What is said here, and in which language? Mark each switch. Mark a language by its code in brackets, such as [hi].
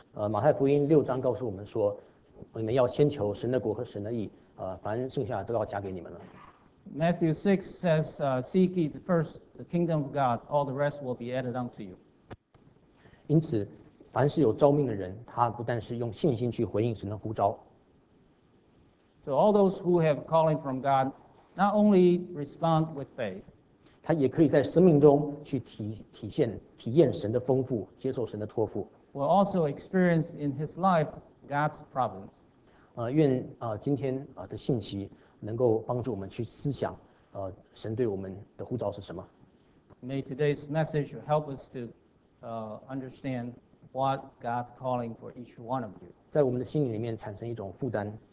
[zh] 马太福音六章告诉我们说，你们要先求神的国和神的义，凡剩下的都要加给你们了。 [en] Matthew 6 says, seek ye first the kingdom of God, all the rest will be added unto you. [zh] 因此，凡是有召命的人，他不但是用信心去回应神的呼召。 [en] So all those who have calling from God, not only respond with faith, [zh] 他也可以在生命中去体现、体验神的丰富，接受神的托付。 [en] Will also experience in his life God's providence. [zh] 愿今天的信息能够帮助我们去思想，神对我们的呼召是什么。 [en] May today's message help us to understand what God's calling for each one of you. [zh] 在我们的心里面产生一种负担。